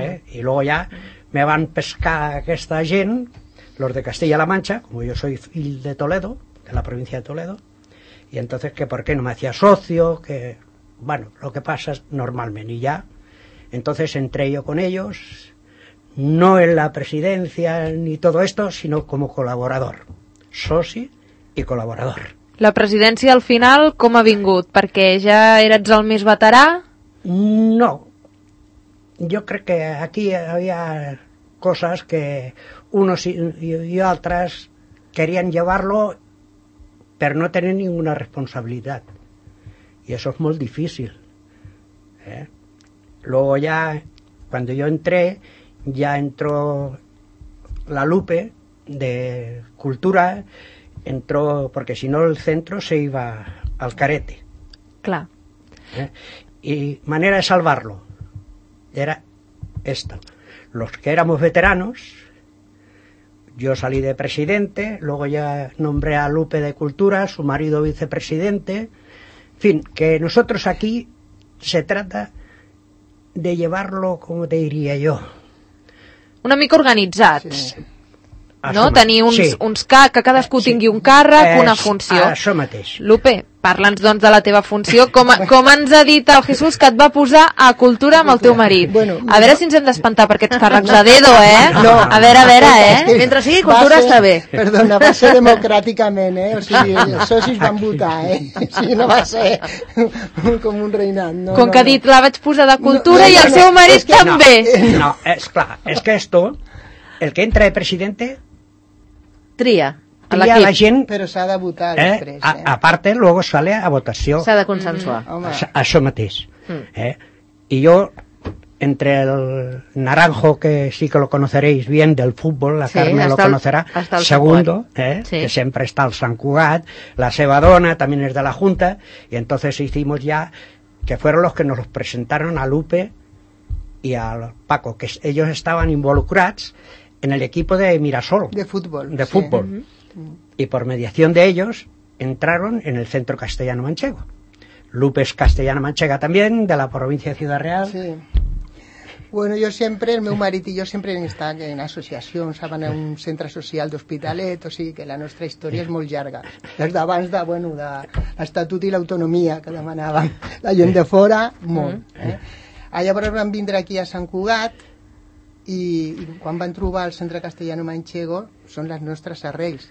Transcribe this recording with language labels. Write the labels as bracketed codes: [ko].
[es] Y luego ya me van pescar esta gente, los de Castilla-La Mancha, como yo soy de Toledo, de la provincia de Toledo, y entonces que por qué no me hacía socio, que bueno, lo que pasa es normalmente, y ya entonces entré yo con ellos, no en la presidencia ni todo esto, sino como colaborador, soci y colaborador. [ca] La presidencia al final, ¿com ha vingut? ¿Perquè ja eres el més veterà? No. [es] Yo creo que aquí había cosas que unos y otras querían llevarlo, pero no tener ninguna responsabilidad. Y eso es muy difícil. Luego ya, cuando yo entré, ya entró la Lupe de Cultura, entró, porque si no el centro se iba al carete. Claro. Y manera de salvarlo era esta. Los que éramos veteranos, yo salí de presidente, luego ya nombré a Lupe de Cultura, su marido vicepresidente. En fin, que nosotros aquí se trata de llevarlo, como te diría yo, [ca] una mica organitzats. Sí. No? Tenir uns, sí, uns cac, que cadascú tingui un càrrec, una funció. Això mateix. Lupe, parla'ns doncs de la teva funció. Com ens ha dit el Jesús que et va posar a Cultura amb el teu marit? Bueno, a veure si ens hem d'espantar per aquests càrrecs a dedo, eh? No, a veure, eh? Estic, mentre sigui Cultura ser, està bé. Perdona, va ser democràticament, eh? O sigui, els socis van votar, eh? Si no va ser com un reinat. No, com no, que ha dit, la vaig posar de Cultura, no, no, i el seu marit que, també. No, és clar, és que [es] esto, el que entra de presidente... [ca] Tria la gent, però s'ha de votar després, [es] A part, luego sale a votació. [ca] S'ha de consensuar. Això mateix. I jo, [es] entre el Naranjo, que sí que lo conoceréis bien del futbol, la Carmen lo conocerá, segundo, [ca] que sempre està al Sant Cugat, la seva dona [es] también es de la Junta, y entonces hicimos ya que fueron los que nos los presentaron a Lupe y al Paco, que ellos estaban involucrats en el equipo de Mirasol. De fútbol. De fútbol. Uh-huh. Y por mediación de ellos, entraron en el Centro Castellano Manchego. Lupe es castellano manchega también, de la provincia de Ciudad Real. Sí. [ca] Bueno, [es] yo siempre, [ca] el meu marit i jo sempre hem estat en associació, saben, en un centre social d'Hospitalet, o sigui que la nostra història és molt llarga. Des d'abans de, bueno, de l'Estatut i l'autonomia que demanàvem la gent de fora, molt. Uh-huh. Llavors vam vindre aquí a Sant Cugat, i quan van trobar el Centre Castellano Manchego, són les nostres arrels.